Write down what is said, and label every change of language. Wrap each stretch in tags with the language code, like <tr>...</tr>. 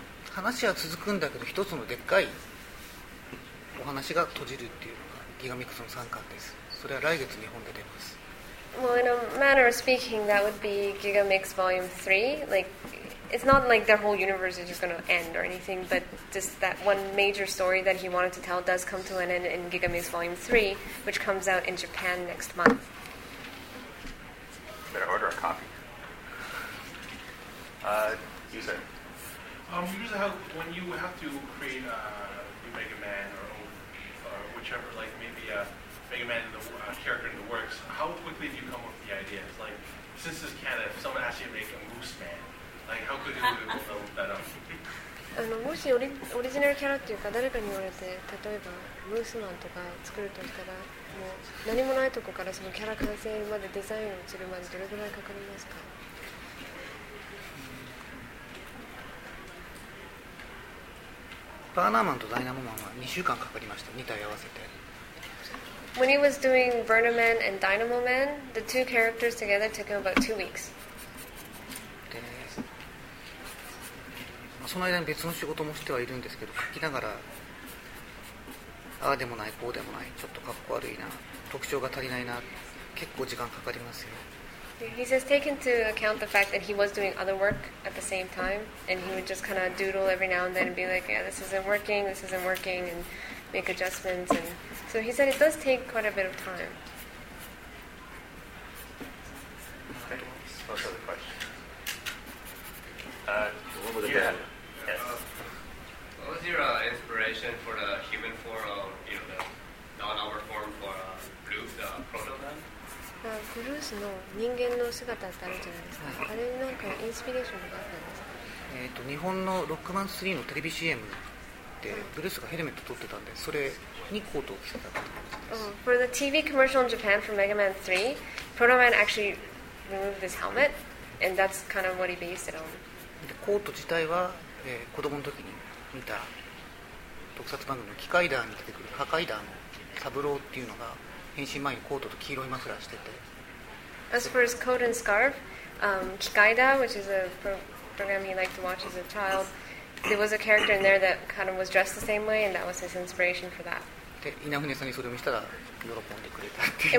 <ja>話は続くんだけど一つのでっかいお話が閉じるっていうのがギガミックスの参観です。それは来月日本で出ます。</ja> <en>Well, in a manner of speaking, that would be Gigamix Volume 3. Like, it's not like their whole universe is just going to end or anything, but just that one major story that he wanted to tell does come to an end in Gigamix Volume 3, which comes out in Japan next month. Better order a copy. User. Usually, when you have to create a Mega Man or whichever, like maybe a Mega Man character in the works, how quickly do you come up with the ideas? Like, since this canon, if someone asks you to make a Moose Man, like how quickly do you build that up?</en> <ja>もしオリジナルキャラっていうか誰かに言われて例えばムースマンとか作るとしたらもう何もないとこからそのキャラ完成までデザインをするまでどれぐらいかかりますか？バーナーマンとダイナモマンは2週間かかりました2体合わせて。</ja> <en>When he was doing Burner Man and Dynamo Man, the two characters together took him about 2 weeks.</en> <ja>で、まあ、その間に別の仕事もしてはいるんですけど書きながらああでもないこうでもないちょっとかっこ悪いな特徴が足りないな結構時間かかりますよ。</ja> <en>He says, take into account the fact that he was doing other work at the same time, and he would just kind of doodle every now and then and be like, yeah, this isn't working, and make adjustments. And so he said it does take quite a bit of time. Okay, what's the question? What was your inspiration for the human form, the non-hour form for Blue, the proto man?</en> <ja>ブルースの人間の姿ってあるじゃないですか、はい、あれになんかインスピレーションがあったんですか。日本のロックマン3のテレビ CM でブルースがヘルメット取ってたんでそれにコートを着てたって感じです。</ja> <en>For the TV commercial in Japan for Mega Man 3, Proto Man actually removed his helmet and that's kind of what he based it on.</en> <ja>でコート自体は、子供の時に見た特撮番組のキカイダーに出てくるハカイダーのサブローっていうのが変身前にコートと黄色いマフラーしてて。</ja> <en>As for his coat and scarf, Kikaida, which is a program he liked to watch as a child, there was a character in there that kind of was dressed the same way, and that was his inspiration for that.</en> <ja>で、稲船さんにそれを見せたら喜んでくれたってい</ja>